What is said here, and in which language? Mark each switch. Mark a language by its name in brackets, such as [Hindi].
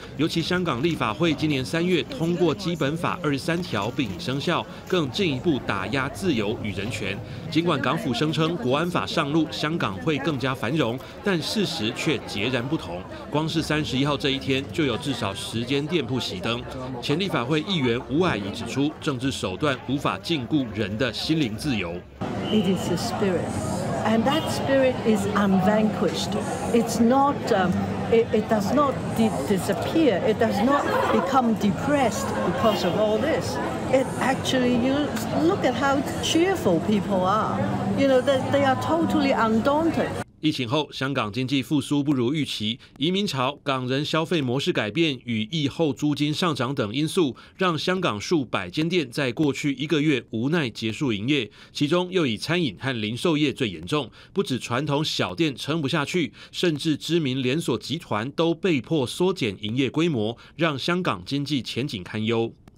[Chinese] 尤其香港立法会今年3月通过基本法23条并生效，更进一步打压自由与人权。尽管港府声称国安法上路，香港会更加繁荣，但事实却截然不同。光是31号这一天，就有至少10间店铺熄灯。前立法会议员吴霭仪指出，政治手段。无法禁锢人的心灵自由。 [English] It is a spirit, and that spirit is unvanquished. It's not, it does not disappear. It does not become depressed because of all this. It actually, you look at how cheerful people are. You know, they are totally undaunted. [Chinese] 疫情后，香港经济复苏不如预期，移民潮、港人消费模式改变与疫后租金上涨等因素，让香港数百间店在过去一个月无奈结束营业。其中又以餐饮和零售业最严重，不止传统小店撑不下去，甚至知名连锁集团都被迫缩减营业规模，让香港经济前景堪忧。